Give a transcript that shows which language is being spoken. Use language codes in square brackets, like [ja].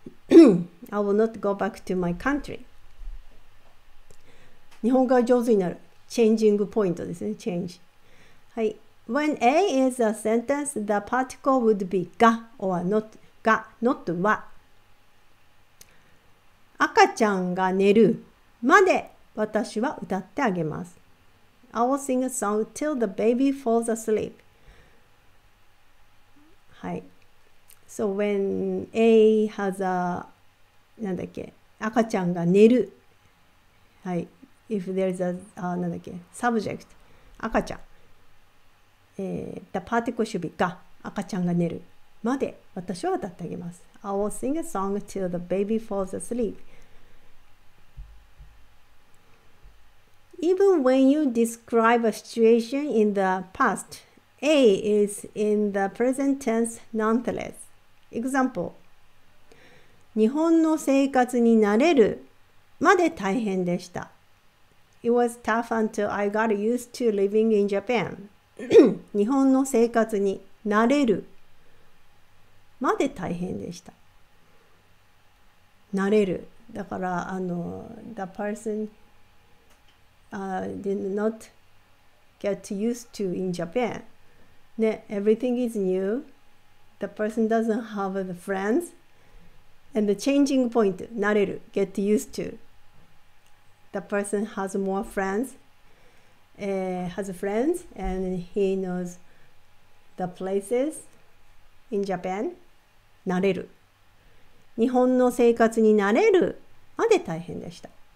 [en] I will not go back to my country. [ja] 日本語が上手になる [en] changing point ですね change. はい。When A is a sentence, the particle would be が or not [ja] が、not は、赤ちゃんが寝るまで私は歌ってあげます。 [en] I will sing a song till the baby falls asleep. はい。So when A has a, なんだっけ、 [ja] 赤ちゃんが寝る。 [en] はい。 If there's a, なんだっけ、subject, 赤ちゃん。 The particle should be [ja] が、赤ちゃんが寝るまで私は歌ってあげます。 [en] I will sing a song till the baby falls asleep. Even when you describe a situation in the past, A is in the present tense nonetheless. Example. [ja] 日本の生活に慣れるまで大変でした。 [en] It was tough until I got used to living in Japan. [ja] 日本の生活に慣れるまで大変でした。慣れる。だから、 [en] the person... did not get used to in Japan. Ne, everything is new. The person doesn't have the friends. And the changing point, 慣れる, get used to. The person has more friends, has friends, and he knows the places in Japan. [ja] 慣れる. 日本の生活に慣れるまで大変でした。